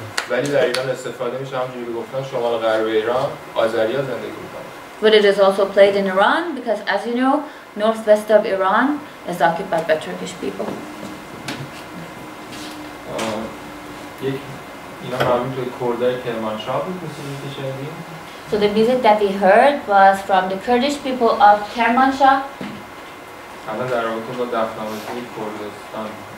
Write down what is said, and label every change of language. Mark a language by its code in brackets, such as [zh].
[fa] ولی در ایران استفاده میشه همونجوری گفتم شمال غرب ایران آذری ها زندگی میکنن. [en] But it is also played in Iran because as you know northwest of Iran is occupied by Turkish people. [fa] اینا معلومه که کردای کرمانشاه بود مثل اینکه شنیدیم. [en] So the music that we heard was from the Kurdish people of Kermanshah. [fa] حالا در رابطه با دفنامه کردستان